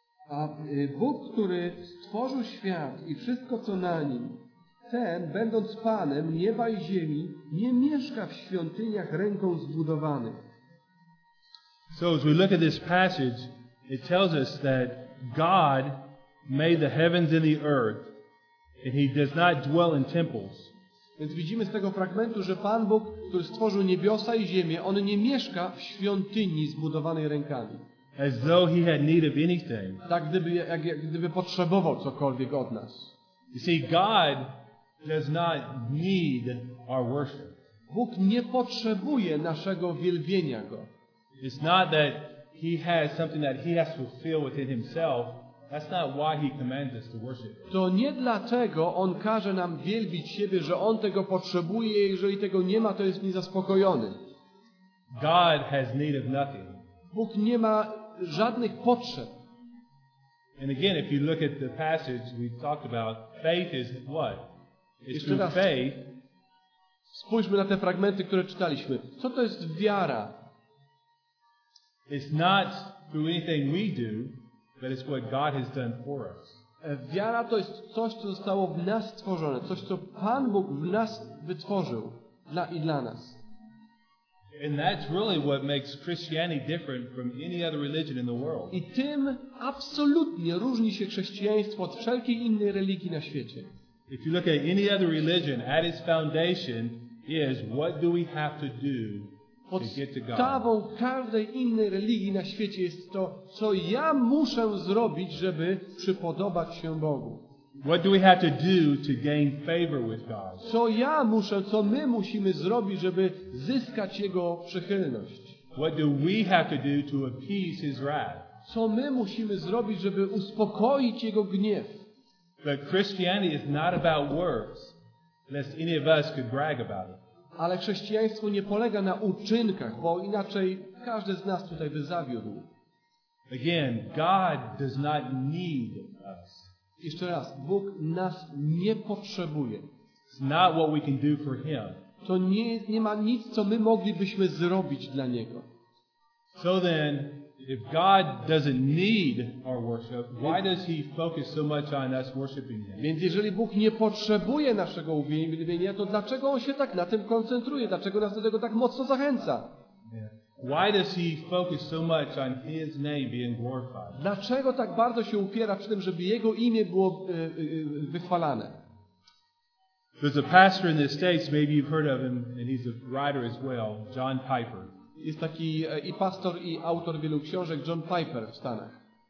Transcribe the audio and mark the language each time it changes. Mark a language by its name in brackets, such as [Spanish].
[Polish] 17:24. A Bóg, który stworzył świat i wszystko, co na nim, ten, będąc Panem nieba i ziemi, nie mieszka w świątyniach ręką zbudowanych. [English] So as we look at this passage, it tells us that God made the heavens and the earth, and He does not dwell in temples. [Polish] Więc widzimy z tego fragmentu, że Pan Bóg, który stworzył niebiosa i ziemię, On nie mieszka w świątyni zbudowanej rękami. [English] As though He had need of anything. [Polish] Tak, gdyby potrzebował cokolwiek od nas. [English] You see, God does not need our worship. [Polish] Bóg nie potrzebuje naszego wielbienia Go. [English] It's not that He has something that He has to fulfill within Himself. That's not why He commands us to worship. [Polish] To nie dlatego On każe nam wielbić siebie, że On tego potrzebuje, jeżeli tego nie ma, to jest niezaspokojony. [English] God has need of nothing. [Polish] Bóg nie ma żadnych potrzeb. [English] And again, if you look at the passage we talked about, faith is what? It's through faith. [Polish] Spójrzmy na te fragmenty, które czytaliśmy. Co to jest wiara? [English] It's not through anything we do, but it's what God has done for us. [Polish] Wiara to jest coś, co zostało w nas stworzone, coś, co Pan Bóg w nas wytworzył dla i dla nas. [English] And that's really what makes Christianity different from any other religion in the world. [Polish] I tym absolutnie różni się chrześcijaństwo od wszelkiej innej religii na świecie. [English] If you look at any other religion, at its foundation is what do we have to do to get to God. [Polish] Podstawą każdej innej religii na świecie jest to, co ja muszę zrobić, żeby przypodobać się Bogu. [English] What do we have to do to gain favor with God? [Polish] Co ja muszę, co my musimy zrobić, żeby zyskać Jego przychylność? [English] What do we have to do to appease His wrath? [Polish] Co my musimy zrobić, żeby uspokoić Jego gniew? [English] But Christianity is not about works, lest any of us could brag about it. [Polish] Ale chrześcijaństwo nie polega na uczynkach, bo inaczej każdy z nas tutaj by zawiódł. [English] Again, God does not need us. [Polish] Jeszcze raz, Bóg nas nie potrzebuje. [English] It's not what we can do for Him. [Polish] To nie ma nic, co my moglibyśmy zrobić dla Niego. [English] So then, if God doesn't need our worship, why does He focus so much on us worshiping Him? [Polish] Więc jeżeli Bóg nie potrzebuje naszego uwielbienia, to dlaczego On się tak na tym koncentruje? Dlaczego nas do tego tak mocno zachęca? [English] Yeah. Why does He focus so much on His name being glorified? [Polish] Dlaczego tak bardzo się upiera przy tym, żeby Jego imię było wychwalane? [English] There's a pastor in the States, maybe you've heard of him, and he's a writer as well, John Piper. [Polish] Jest taki i pastor, i autor wielu książek, John Piper w Stanach.